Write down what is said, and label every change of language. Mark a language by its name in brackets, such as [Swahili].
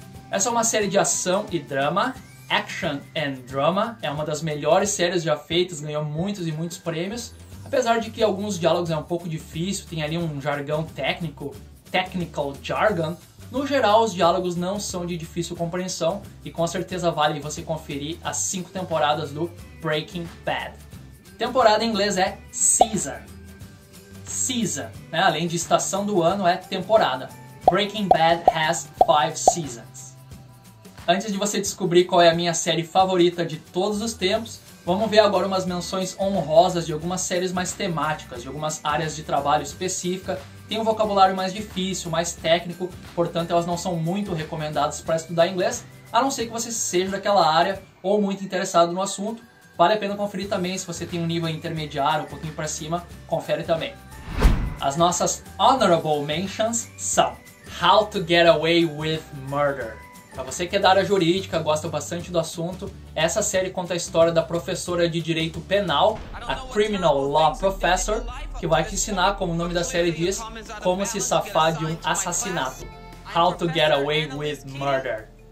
[Portuguese] Essa é uma série de ação e drama, [English] action and drama, [Portuguese] é uma das melhores séries já feitas, ganhou muitos e muitos prêmios, apesar de que alguns diálogos é um pouco difícil, tem ali um jargão técnico, technical jargon, no geral, os diálogos não são de difícil compreensão e com certeza vale você conferir as 5 temporadas do Breaking Bad. Temporada em inglês é season. Season, né? Além de estação do ano, é temporada. [English] Breaking Bad has 5 seasons. [Portuguese] Antes de você descobrir qual é a minha série favorita de todos os tempos, vamos ver agora umas menções honrosas de algumas séries mais temáticas, de algumas áreas de trabalho específica. Tem um vocabulário mais difícil, mais técnico, portanto elas não são muito recomendadas para estudar inglês, a não ser que você seja daquela área ou muito interessado no assunto. Vale a pena conferir também, se você tem um nível intermediário, um pouquinho para cima, confere também. As nossas honorable mentions são How to Get Away with Murder. Para você que é da área jurídica, gosta bastante do assunto, essa série conta a história da professora de direito penal, a Criminal Law Professor, que vai te ensinar, como o nome da série diz, como se safar de um assassinato. [English] How to Get Away with Murder.